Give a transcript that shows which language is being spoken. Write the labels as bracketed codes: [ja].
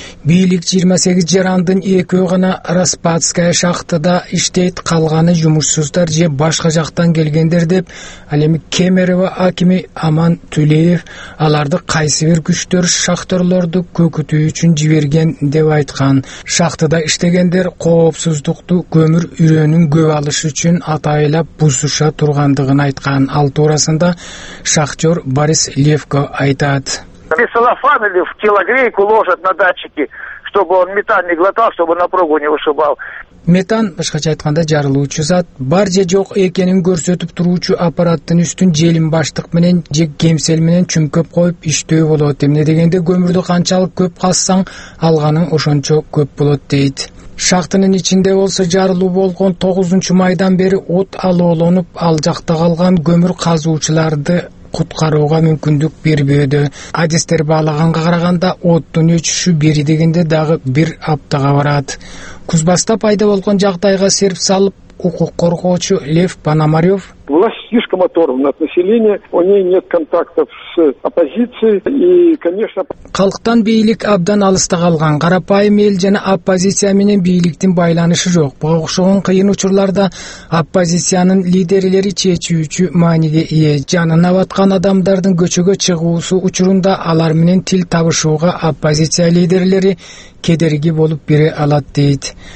[ky] Бийлик 28 жарандын экөө гана Распадская шахтада иштейт, калганы жумушсуздар же башка жактан келгендер деп ал эми Кемерово акими Аман Түлеев аларды кайсы бир күчтөр шахтерлорду көкүтүү үчүн жиберген деп айткан. Шахтада иштегендер коопсуздукту көмүр үрөөнүн көп алышы үчүн атайылап бузуша тургандыгын айткан. Ал туурасында шахтер Борис Левко айтат. [ru] Целлофан или в телогрейку ложат на датчики, чтобы он метан не глотал, чтобы на пробу не вышибал. [ky] Метан, башкача айтканда жарылуучу зат, бар же жок экенин көрсөтүп туруучу аппараттын үстүн желим баштык менен же кемсел менен чүмкөп коюп иштөө болот. Эмне дегенде көмүрдү канчалык көп кассаң алганың ошончо көп болот дейт. Шахтынын ичинде болсо жарылуу болгон 9 майдан бери от алооланып ал жакта калган көмүр казуучуларды куткарууга мүмкүндүк бербөөдө. Адистер баалаганга караганда оттун өчүшү бери дегенде дагы бир аптага барат. Кузбасста пайда болгон жагдайга серп салып укук коргоочу Лев Пономарев: [ru] власть слишком оторвана от населения, у ней нет контактов с оппозицией и, конечно, [ky] калктан бийлик абдан алыста калган. Карапайым эл жана оппозиция менен бийликтин байланышы жок. Буга окшогон кыйын учурларда оппозициянын лидерлери чечүүчү мааниге ээ. Жанына баткан адамдардын көчөгө чыгуусу учурунда алар менен тил табышууга оппозиция лидерлери кедерги болуп бере алат дейт.